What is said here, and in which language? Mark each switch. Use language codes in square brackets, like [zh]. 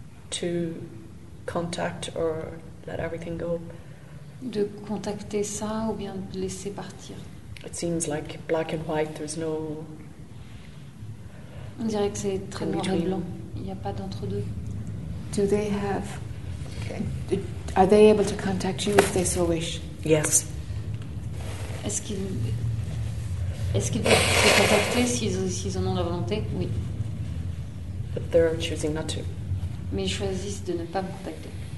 [en] To contact or let everything go. [fr] De contacter ça ou bien de laisser partir. [en] It seems like black and white. There's no. [fr] On dirait que c'est très noir et blanc. Il n'y a pas d'entre-deux. [en] Do they have? Are they able to contact you if they so wish? Yes. [fr] Est-ce qu'ils peuvent se contacter s'ils en ont la volonté? Oui. [en] But they're choosing not to. [fr] Mais ils choisissent de ne pas me contacter.